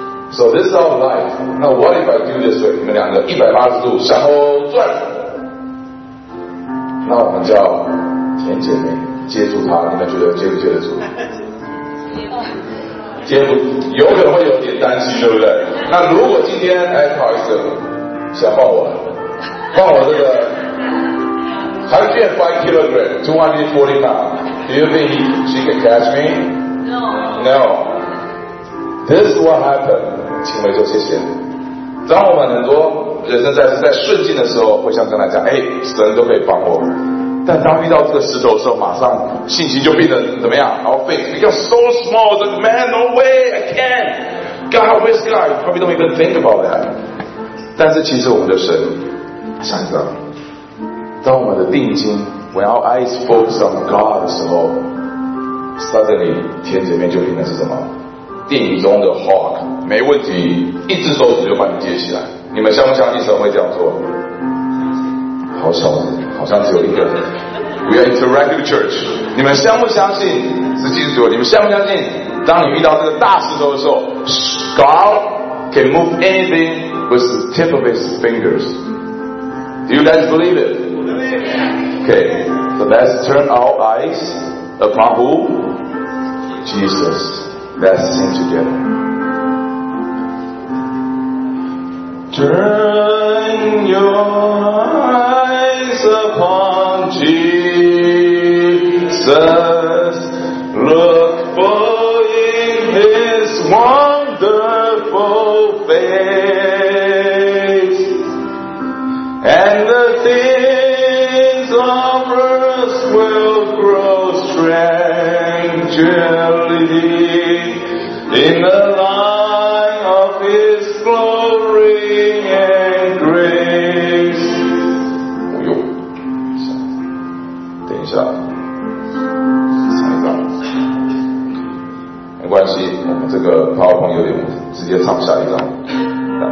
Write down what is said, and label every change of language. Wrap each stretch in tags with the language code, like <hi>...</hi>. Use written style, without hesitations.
<en>So this is our life. Now what if I do this way？你们两个180度向后转。</en> <zh>那我们叫甜姐妹接住她，你们觉得接不接得住？接不，有可能会有点担心，对不对？那如果今天，哎，不好意思，想抱我，抱我这个 105 kilograms, 240 pounds, do you think she can catch me?</zh> <en>No. No. This is what happened. 请回说谢谢。</en> <zh>当我们很多人生在顺境的时候，会像刚才讲，哎，神都可以帮我。但当遇到这个石头的时候，马上信心就变得怎么样？</zh> <en>然后 faith become so small. The man, no way, I can't. God, where's God? Probably don't even think about that.</en> <zh>但是其实我们的神，想一想，当我们的定睛 ， when our eyes focus on God 的时候 ，suddenly 天这边就变成是什么？电影中的 hawk， 没问题，一只手指就把你接起来。你们相不相信神会这样做？好少，好像只有一个人。 We are interactive church. 你们相不相信？是基督徒，你们相不相信？</zh> <en>当你遇到这个大石头的时候，God can move anything with the tip of His fingers. Do you guys believe it? Okay, so let's turn our eyes upon who? Jesus. Let's sing together. Turn your eyes upon Jesus. Look full in His wonderful face. And the things of earth will grow strangely in the light of His glory and grace.</en> <zh>不用，等一下，唱一段，没关系，我们这个炮棚有点，直接唱下一段。</zh>